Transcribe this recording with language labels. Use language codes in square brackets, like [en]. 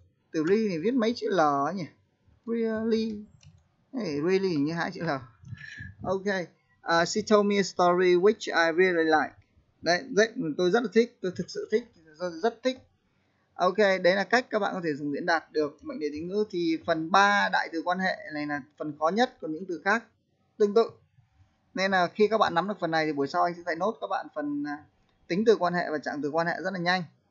[vi] Từ really thì viết mấy chữ L nhỉ? Really. Hey, really như hai chữ L. Ok. [en] She told me a story which I really like. [vi] Đấy, đấy, tôi rất là thích, tôi thực sự thích, rất thích. Ok, đấy là cách các bạn có thể dùng diễn đạt được mệnh đề tính ngữ. Thì phần 3 đại từ quan hệ này là phần khó nhất, còn những từ khác tương tự. Nên là khi các bạn nắm được phần này thì buổi sau anh sẽ dạy nốt các bạn phần tính từ quan hệ và trạng từ quan hệ rất là nhanh.